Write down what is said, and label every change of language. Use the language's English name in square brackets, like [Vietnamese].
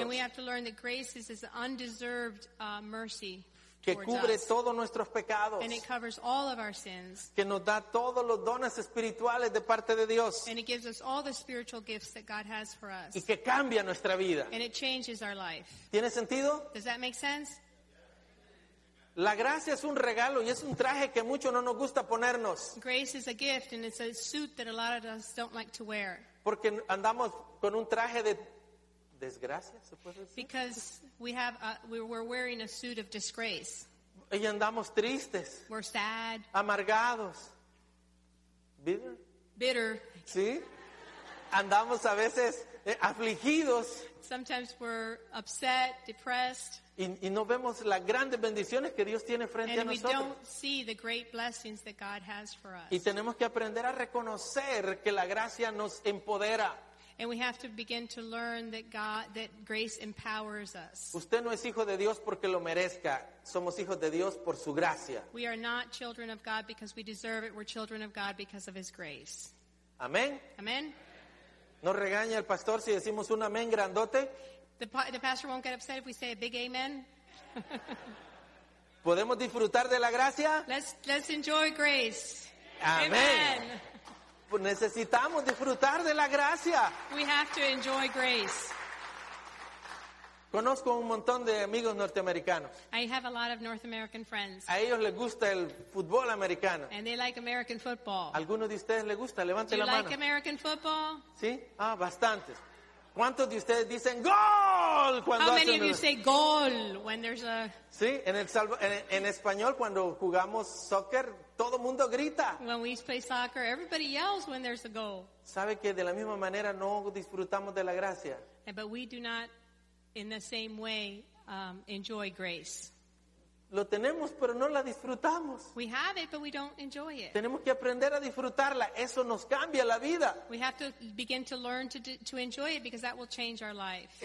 [English] And we have to learn that grace is this undeserved mercy [Spanish] que cubre [English] us. [Spanish] Todos nuestros pecados. [English] And it covers all of our sins. [Spanish] Que nos da todos los dones espirituales de parte de Dios. [English] And it gives us all the spiritual gifts that God has for us. [Spanish] Y que cambia nuestra vida. [English] And it changes our life. [Spanish] ¿Tiene sentido? [English] Does that make sense? [Spanish] La gracia es un regalo y es un traje que muchos no nos gusta ponernos. [English] Grace is a gift and it's a suit that a lot of us don't like to wear. [Spanish] Porque andamos con un traje de desgracia, se puede decir. [English] Because we're wearing a suit of disgrace. [Spanish] Y andamos tristes. [English] We're sad. [Spanish] Amargados. [English] Bitter. Bitter. [Spanish] Sí. Andamos a veces afligidos. [English] Sometimes we're upset, depressed. [Spanish] Y no vemos las grandes bendiciones que Dios tiene frente [English] and [Spanish] a nosotros. [English] And we don't see the great blessings that God has for us. [Spanish] Y tenemos que aprender a reconocer que la gracia nos empodera. [English] And we have to begin to learn that grace empowers us. [Spanish] Usted no es hijo de Dios porque lo merezca. Somos hijos de Dios por su gracia. [English] We are not children of God because we deserve it. We're children of God because of His grace. [Spanish] Amén. Amén. ¿No regaña el pastor si decimos un amén grandote? [English] The pastor won't get upset if we say a big amen. [Spanish] ¿Podemos disfrutar de la gracia? [English] Let's enjoy grace. [Spanish] Amén. [English] Amen. [Spanish] Necesitamos disfrutar de la gracia. [English] We have to enjoy grace. [Spanish] Conozco un montón de amigos norteamericanos. [English] I have a lot of North American friends. [Spanish] A ellos les gusta el fútbol americano. [English] And they like American football. [Spanish] ¿Algunos de ustedes les gusta? Levante la mano. [English] Do you like American football? [Spanish] Sí. Ah, bastantes. ¿Cuántos de ustedes dicen gol cuando hacen? [English] How many of you say goal when there's a? [Spanish] Sí, en español cuando jugamos soccer todo mundo grita. [English] When we play soccer, everybody yells when there's a goal. [Spanish] ¿Sabe que de la misma manera no disfrutamos de la gracia? [English] But we do not, in the same way, enjoy grace. [Spanish] Lo tenemos, pero no la disfrutamos. [English] We have it, but we don't enjoy it. [Spanish] Tenemos que aprender a disfrutarla. Eso nos cambia la vida. [English] We have to begin to learn to enjoy it because that will change our life.